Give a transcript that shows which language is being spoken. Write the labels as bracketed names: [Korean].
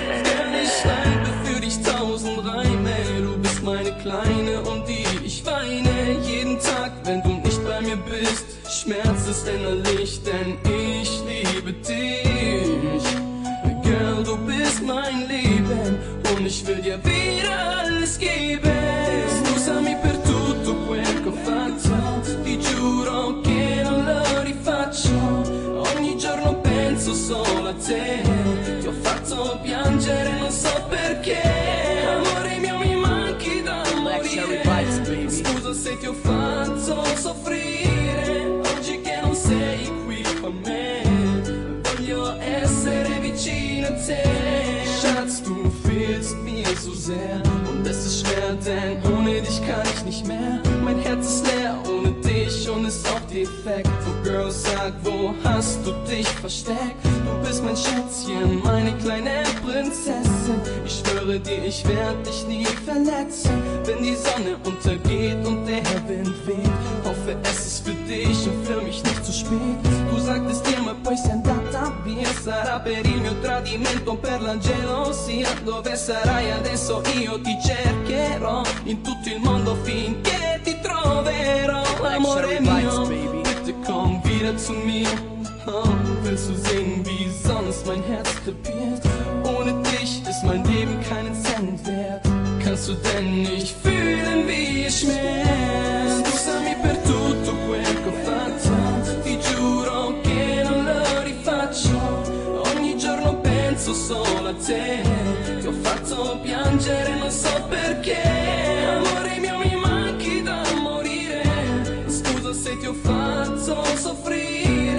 [German] Denn ich schreibe für dich tausend Reime. Du bist meine Kleine, um die ich weine. Jeden Tag, wenn du nicht bei mir bist, Schmerz ist innerlich, denn ich liebe dich. Girl, du bist mein Leben und ich will dir wieder alles geben. [Italian] Scusami per tutto quel che ho fatto. Ti giuro che non lo rifaccio. Ogni giorno penso solo a te. Ti ho fatto piangere, non so perché. Amore mio, mi manchi da morire. Scusa se ti ho fatto soffrire. Oggi che non sei qui con me, voglio essere vicino a te. [German] Schatz, du fehlst mir so sehr. Und es ist schwer, denn ohne dich kann ich nicht mehr. Mein Herz ist leer ohne dich und ist auch defekt. Oh Girl, sag, wo hast du dich versteckt? Du bist mein Schätzchen, meine kleine Prinzessin. Ich schwöre dir, ich werde dich nie verletzen. Wenn die Sonne untergeht und der Wind weht, hoffe, es ist für dich und für mich nicht zu spät. Du sagtest dir, [Italian] ma poi sei andata via. Sarà per il mio tradimento, per la gelosia. Dove sarai adesso? Io ti cercherò in tutto il mondo finché ti troverò. Amore mio, [German] bitte komm wieder zu mir. Oh, willst du sehen, wie sonst mein Herz krepiert? Ohne dich ist mein Leben keinen Cent wert. Kannst du denn nicht fühlen, wie es schmerzt? [Italian] Scusami per tutto quel che ho fatto. Ti giuro che non lo rifaccio. Ogni giorno penso solo a te. Ti ho fatto piangere, non so perché. Amore mio, mi manchi da morire. Scusa se ti ho fatto soffrire.